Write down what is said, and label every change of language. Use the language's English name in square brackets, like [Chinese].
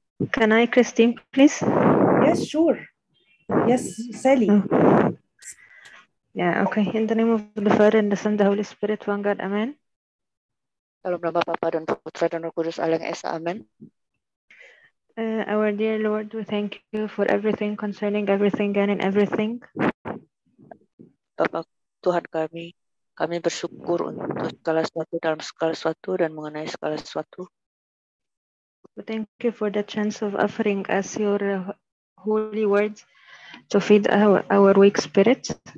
[English] Can I, Christine, please? Yes, sure. Yes, Sally. Yeah, okay. In the name of the Father and the Son, the Holy Spirit, one God, amen. [Indonesian] Dalam nama Bapa dan Putra dan Roh Kudus, Allah yang Esa, amen. [English] Our dear Lord, we thank you for everything, concerning everything, and in everything. [Indonesian] Bapa Tuhan kami, kami bersyukur untuk segala sesuatu dalam segala sesuatu dan mengenai segala sesuatu. [English] Thank you for the chance of offering us your holy words to feed our weak spirits.